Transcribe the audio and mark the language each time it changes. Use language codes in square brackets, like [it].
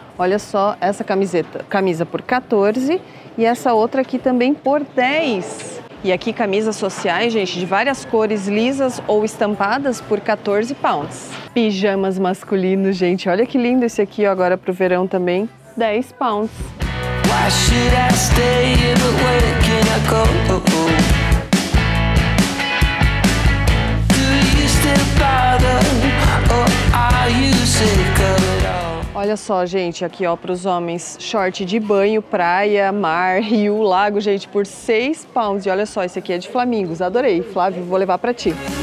[pt] Olha só essa camiseta, camisa por 14 e essa outra aqui também por 10. E aqui camisas sociais, gente, de várias cores, lisas ou estampadas por 14 pounds. Pijamas masculinos, gente, olha que lindo esse aqui, ó, agora pro verão também, 10 pounds. [en] Why should I stay in the way can I go? Do you still bother or are you sick of? [pt] Olha só, gente, aqui, ó, pros homens, short de banho, praia, mar, rio, lago, gente, por 6 pounds. E olha só, esse aqui é de flamingos, adorei. Flávio, vou levar pra ti.